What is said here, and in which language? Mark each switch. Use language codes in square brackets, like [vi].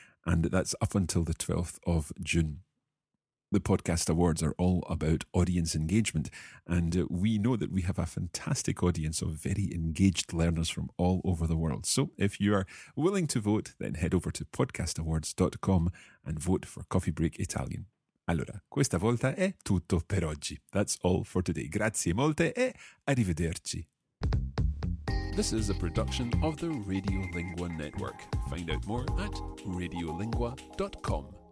[en] And that's up until the 12th of June. The podcast awards are all about audience engagement. And we know that we have a fantastic audience of very engaged learners from all over the world. So if you are willing to vote, then head over to podcastawards.com and vote for Coffee Break Italian. [it] Allora, questa volta è tutto per oggi. [en] That's all for today. [it] Grazie molte e arrivederci. [en] This is a production of the Radiolingua Network. Find out more at radiolingua.com.